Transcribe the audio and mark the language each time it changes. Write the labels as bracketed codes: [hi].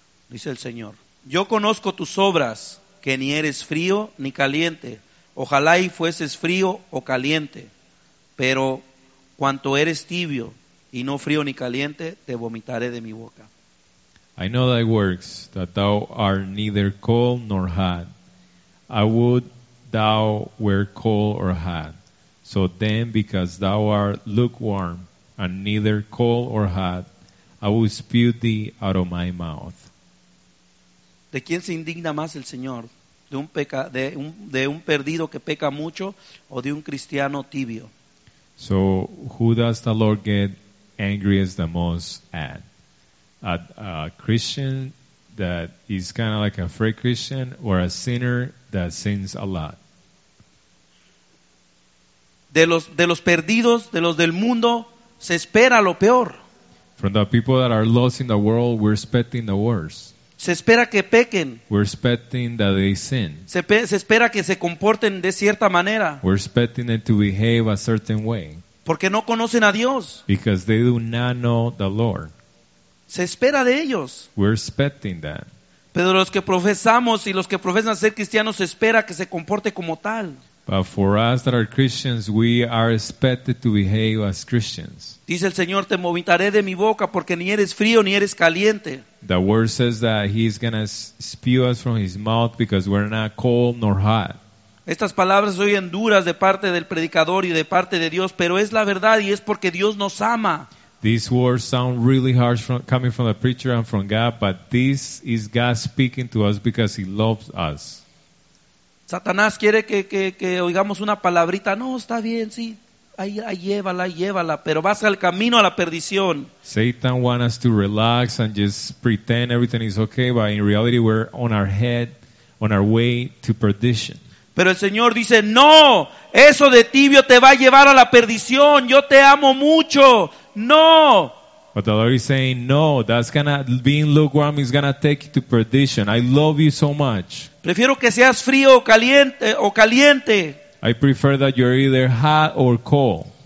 [es] Dice el Señor: yo conozco tus obras, que ni eres frío ni caliente. Ojalá y fueses frío o caliente, pero cuanto eres tibio y no frío ni caliente, te vomitaré de mi boca. [en] I know thy works, that thou art neither cold nor hot. I would thou were cold or hot. So then, because thou art lukewarm and neither cold or hot, I will spew thee out of my mouth. [es] ¿De quién se indigna más el Señor? ¿De un perdido que peca mucho o de un cristiano tibio? [en] So, who does the Lord get angriest the most at? At a Christian that is kind of like a free Christian, or a sinner that sins a lot? [es] De los perdidos, de los del mundo, se espera lo peor. [en] From the people that are lost in the world, we're expecting the worst. [es] Se espera que pequen. [en] We're expecting that they sin. [es] Se espera que se comporten de cierta manera. [en] We're expecting them to behave a certain way. [es] Porque no conocen a Dios. [en] Because they do not know the Lord. [es] Se espera de ellos. [en] We're expecting that. [es] Pero los que profesamos y los que profesan ser cristianos, se espera que se comporte como tal. [en] But for us that are Christians, we are expected to behave as Christians. [es] Dice el Señor, te vomitaré de mi boca porque ni eres frío ni eres caliente. [en] The word says that he's going to spew us from his mouth because we're not cold nor hot. [es] Estas palabras son duras de parte del predicador y de parte de Dios, pero es la verdad y es porque Dios nos ama. [en] These words sound really harsh coming from the preacher and from God, but this is God speaking to us because he loves us. [es] Satanás quiere que oigamos una palabrita. No, está bien, sí. Ahí llévala. Pero vas al camino a la perdición. [en] Satan wants us to relax and just pretend everything is okay, but in reality we're on our way to perdition. [es] Pero el Señor dice, no, eso de tibio te va a llevar a la perdición. Yo te amo mucho. No. [en] But the Lord is saying, no, that's gonna, being lukewarm is gonna take you to perdition. I love you so much. [es] Prefiero que seas frío o caliente. [en] I prefer that you're either hot or cold.